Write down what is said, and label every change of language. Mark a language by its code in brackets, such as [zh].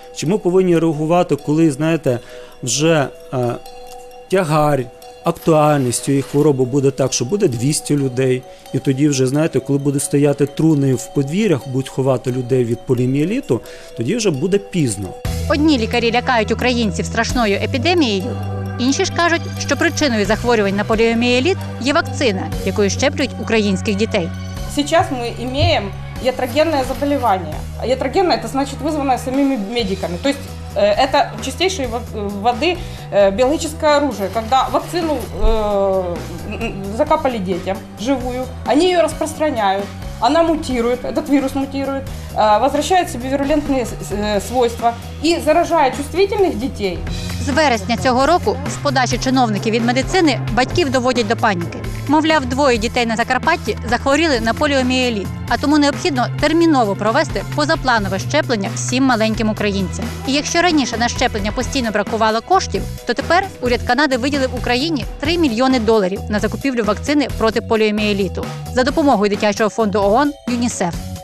[uk] Чи ми повинні реагувати, коли, знаєте, вже тягар, актуальністю і хвороби буде так, що буде 200 людей, і тоді вже, знаєте, коли буде стояти труни в подвір'ях, будуть ховати людей від поліомієліту, тоді вже буде пізно. Одні лікарі лякають українців страшною епідемією, інші ж кажуть, що причиною захворювань на поліомієліт є вакцина, якою щеплюють українських дітей. Зараз ми маємо ятрогенне захворювання. Ятрогенне – це значить визване самими медиками. [ru] Тобто, это чистейшей воды биологическое оружие, когда вакцину закапали детям живую, они ее распространяют, она мутирует, этот вирус мутирует, возвращает себе вирулентные свойства и заражает чувствительных детей. [uk] З вересня цього року з подачі чиновників від медицини батьків доводять до паніки. Мовляв, двоє дітей на Закарпатті захворіли на поліоміеліт, а тому необхідно терміново провести позапланове щеплення всім маленьким українцям. І якщо раніше на щеплення постійно бракувало коштів, то тепер уряд Канади виділив Україні 3 мільйони доларів на закупівлю вакцини проти поліоміеліту за допомогою дитячого фонду ООН ЮНІСЕФ.